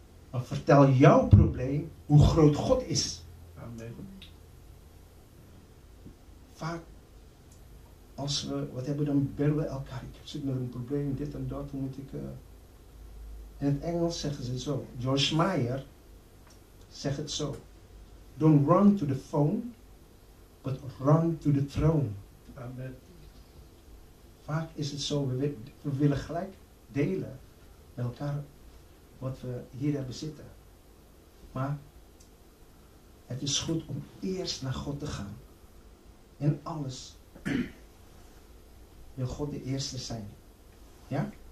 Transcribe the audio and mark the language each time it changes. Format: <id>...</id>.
<nl>Maar vertel jouw probleem hoe groot God is. Amen. Vaak, als we, wat hebben we dan, bellen we elkaar. Ik zit met een probleem, dit en dat, hoe moet ik... In het Engels zeggen ze zo. George Meyer zegt het zo.</nl> <en>Don't run to the phone, but run to the throne.</en> <nl>Amen. Vaak is het zo, we willen gelijk delen met elkaar wat we hier hebben zitten. Maar het is goed om eerst naar God te gaan. In alles wil God de eerste zijn. Ja?</nl>